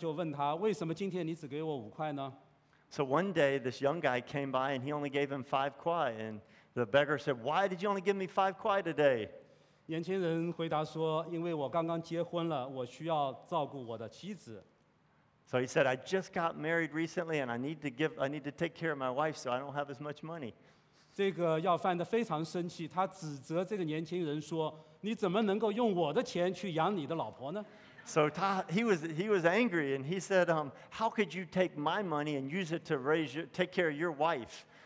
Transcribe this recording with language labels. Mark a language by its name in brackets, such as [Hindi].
[Chinese] 一天，这个年轻人只给了这个要饭的五块钱。要饭的就问他，为什么今天你只给我五块呢？ [English] So one day this young guy came by and he only gave him 5 kwai, and the beggar said, "Why did you only give me 5 kwai today?" [Chinese] 年轻人回答说，因为我刚刚结婚了，我需要照顾我的妻子。 [English] So he said, "I just got married recently, and I need to take care of my wife, so I don't have as much money." [Chinese] 这个要饭的非常生气，他指责这个年轻人说，你怎么能够用我的钱去养你的老婆呢？ [English] So he was angry, and he said, "How could you take my money and use it to take care of your wife?"